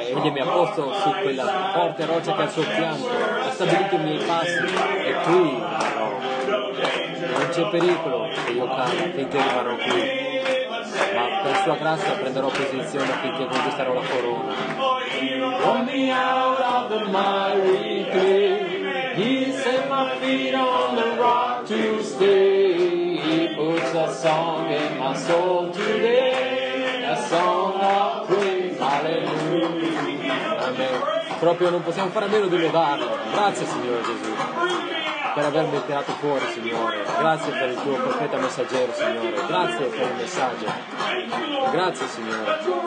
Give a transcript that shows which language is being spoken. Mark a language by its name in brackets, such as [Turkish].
[Italian] Egli mi ha posto su quella forte roccia che ha al suo fianco, ha stabilito i miei passi e qui rimarrò. Non c'è pericolo che io cada finché rimarrò qui, ma per sua grazia prenderò posizione finché conquisterò la corona. [English] Run me out of the miry clay. He set my feet on the rock to stay. He puts a song in my soul today. A song of praise, hallelujah. [Italian] Amen. Proprio non possiamo fare a meno di lodarlo. Grazie Signore Gesù. per avermi tirato fuori, Signore. Grazie per il tuo profeta messaggero, Signore. Grazie per il messaggio. Grazie, Signore.